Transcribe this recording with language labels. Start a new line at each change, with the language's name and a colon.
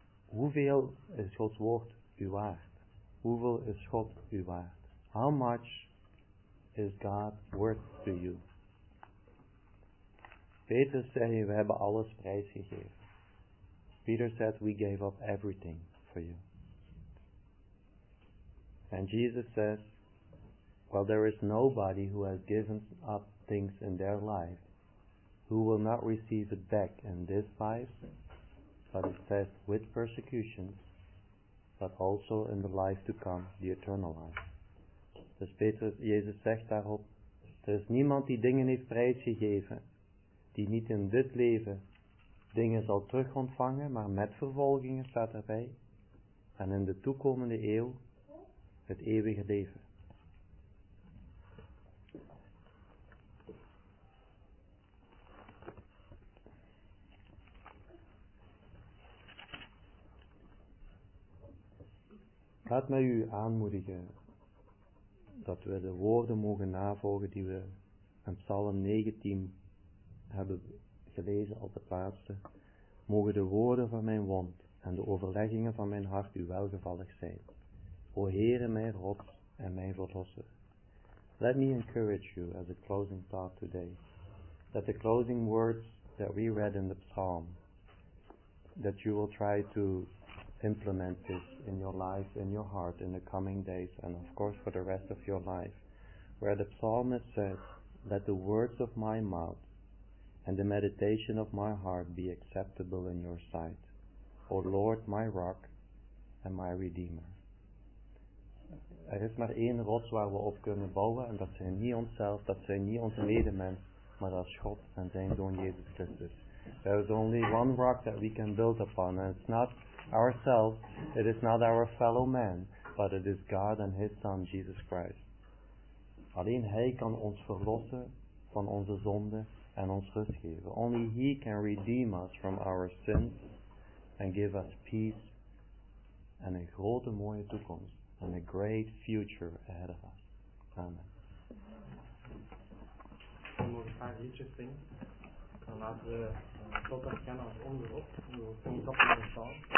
Dutch: Hoeveel is Gods woord u waard? Hoeveel is God u waard?
English: How much is God worth to you?
Dutch: Petrus zei: We hebben alles prijsgegeven.
English: Peter said, we gave up everything for you. And Jesus says, well, there is nobody who has given up things in their life who will not receive it back in this life, but it says with persecution, but also in the life to come, the eternal life.
Dutch: Dus Petrus, Jezus zegt daarop, er is niemand die dingen heeft prijsgegeven, die niet in dit leven dingen zal terug ontvangen, maar met vervolgingen staat erbij. En in de toekomende eeuw het eeuwige leven. Laat mij u aanmoedigen dat we de woorden mogen navolgen die we in Psalm 19 hebben gelezen op het laatste. Mogen de woorden van mijn mond en de overleggingen van mijn hart u welgevallig zijn. O Heere, mijn God en mijn Verlosser.
English: Let me encourage you as a closing thought today, that the closing words that we read in the psalm, that you will try to implement this in your life, in your heart, in the coming days, and of course for the rest of your life, where the psalmist says, let the words of my mouth and the meditation of my heart be acceptable in your sight, O Lord, my rock and my redeemer.
Dutch: Er is maar één rots waar we op kunnen bouwen, en dat zijn niet onszelf, dat zijn niet onze medemens, maar dat is God en zijn Zoon Jezus Christus.
English: There is only one rock that we can build upon, and it's not ourselves, it is not our fellow man, but it is God and His Son, Jesus Christ.
Dutch: Alleen Hij kan ons verlossen van onze zonden en ons rust geven.
English: Only He can redeem us from our sins and give us peace and a
Dutch: grote mooie toekomst
English: and a great future ahead of us. Amen.
Dutch: We moeten een liedje zingen. Dan laten we God erkennen als onderop. We moeten niet op de